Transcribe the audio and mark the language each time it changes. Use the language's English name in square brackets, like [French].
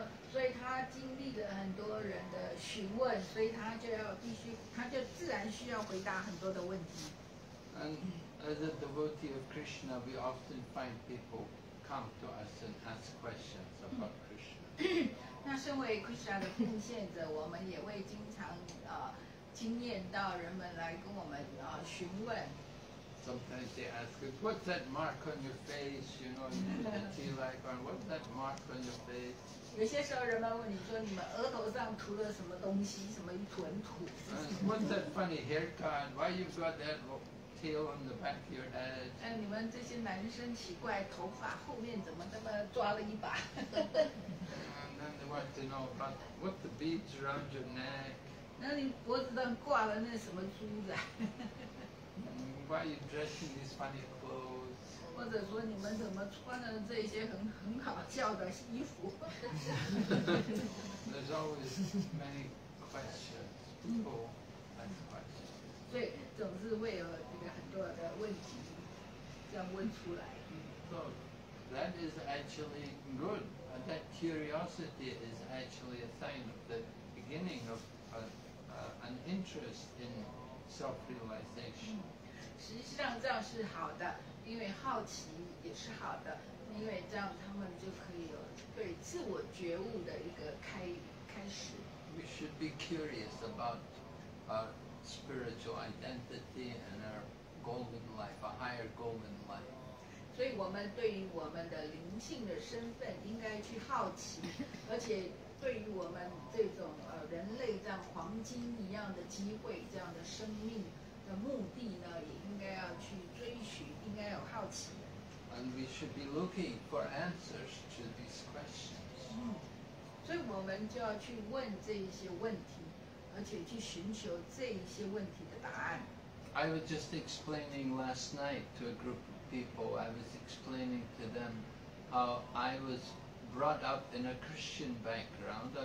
[Chinese] 所以他经历了很多人的询问，所以他就要必须，他就自然需要回答很多的问题。 [English] As a devotee of Krishna, we often find people come to us and ask questions about Krishna. [Chinese] 那身为 Krishna 的奉献者，我们也会经常经验到人们来跟我们询问。 [English] Sometimes they ask us, "What's that mark on your face?" You know, "What's that mark on your face?" [Chinese] 有些时候人们问你说，你们额头上涂了什么东西，什么一团土。 [English] What's that funny haircut? Why you've got that? Tail on the back of your head. [Chinese] 你们这些男生奇怪，头发后面怎么这么抓了一把？ [English] And then they want to know about what the beads around your neck. [Chinese] 那你脖子上挂了那什么珠子？ [English] Why are you dressed in these funny clothes? [Chinese] 或者说你们怎么穿了这些很好笑的衣服？ [English] There's always many questions. People ask questions. [Chinese] 所以总是会有这个很多的问题这样问出来。 [English] So that is actually good. That curiosity is actually a sign of the beginning of an interest in self-realization. [Chinese] 实际上这样是好的，因为好奇也是好的，因为这样他们就可以有对自我觉悟的一个开始。 [English] We should be curious about spiritual identity and our golden life, a higher golden life. [Chinese] 所以我们对于我们的灵性的身份应该去好奇，而且对于我们这种人类这样黄金一样的机会，这样的生命的目的呢，也应该要去追寻，应该有好奇。 [English] And we should be looking for answers to these questions. [Chinese] 所以我们就要去问这些问题。而且去寻求这一些问题的答案。 [English] I was just explaining last night to a group of people. I was explaining to them how I was brought up in a Christian background.